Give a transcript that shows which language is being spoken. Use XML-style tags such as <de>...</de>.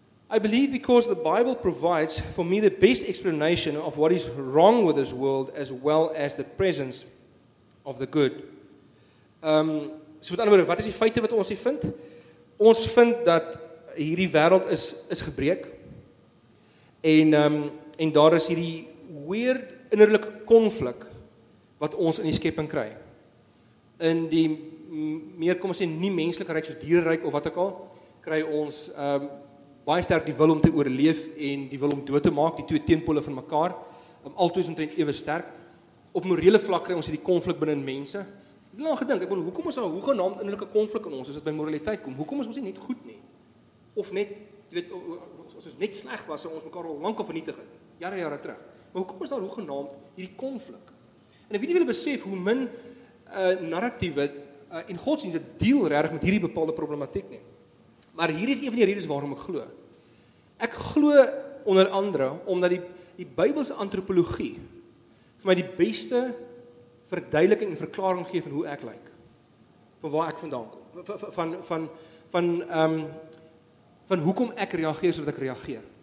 <en>I believe because the Bible provides for me the best explanation of what is wrong with this world as well as the presence of the good.</en> <af>So met ander woorde, wat is die feite wat ons hier vind? Ons vind dat hierdie wêreld is gebreek en daar is hierdie weird innerlike konflik wat ons in die skepping kry. In die meer kom ons sê nie menslike ryk soos diereryk of wat ook al, kry ons baie sterk die wil om te oorleef en die wil om dood te maak, die twee teenpole van mekaar, altoe is omtrent ewe sterk. Op morele vlak kry ons hierdie konflik binne in mense. Ek het lank gedink, ek wil, hoekom is daar hoegenaamd innerlike konflik in ons, as dit by moraliteit kom? Hoekom is ons nie net goed nie? Of net, weet, as ons net sleg was, en ons mekaar al lank al vernietig het, jare terug. Maar hoekom is daar hoegenaamd hierdie konflik? En ek weet nie wil besef hoe min narratiewe en godsdienste deel regtig met hierdie bepaalde problematiek nie. Maar hier is een van die redes waarom ek glo. Ek glo onder andere, omdat die Bybelse antropologie vir my die beste verduideliking en verklaring gee van hoe ek lyk. Van waar ek vandaan kom. Van hoekom ek reageer soos ek reageer.</af>